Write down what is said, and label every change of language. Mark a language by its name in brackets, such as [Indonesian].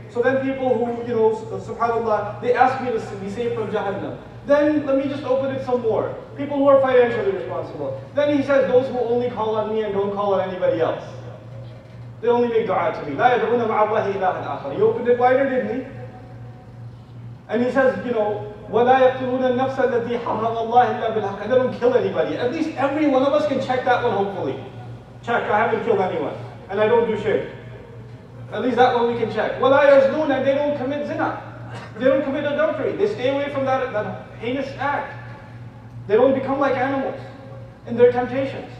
[English] So then people who, subhanAllah, they ask me to be saved from Jahannam. Then let me just open it some more. People who are financially responsible. Then he says, those who only call on me and don't call on anybody else. They only make dua to me. [Arabic] لَا يَدْعُونَ مَعَ اللَّهِ إِلَٰهًا آخَرَ. [English] He opened it wider, didn't he? And he says, [Arabic] وَلَا يَقْتُلُونَ النَّفْسَ الَّذِي حَرَّمَ اللَّهِ إِلَّا بِالْحَقِّ. [English] And they don't kill anybody. At least every one of us can check that one, hopefully. Check, I haven't killed anyone. And I don't do shirk. At least that one we can check. [Arabic] وَلَا يَزْنُونَ [English] and they don't commit zina. They don't commit adultery. They stay away from that heinous act. They don't become like animals in their temptations.